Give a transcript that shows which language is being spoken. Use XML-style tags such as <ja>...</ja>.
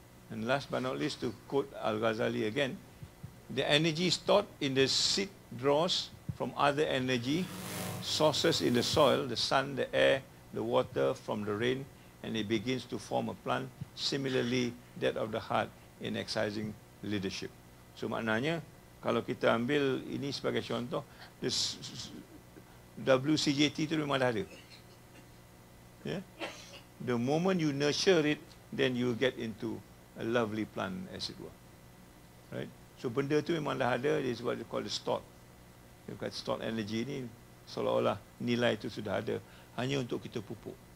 <en>And last but not least, to quote Al-Ghazali again, the energy stored in the seed draws from other energy sources in the soil, the sun, the air, the water, from the rain, and it begins to form a plant. Similarly, that of the heart in exercising leadership.</en> <ms>So maknanya, kalau kita ambil ini sebagai contoh, this WCJT itu memang dah ada.</ms> <en>Yeah? The moment you nurture it, then you get into a lovely plant, as it were. Right?</en> <ms>So benda tu memang dah ada,</ms> <en>it's what you call the stored. You've got stored energy</en> <ms>ni, seolah-olah nilai tu sudah ada. Hanya untuk kita pupuk.</ms>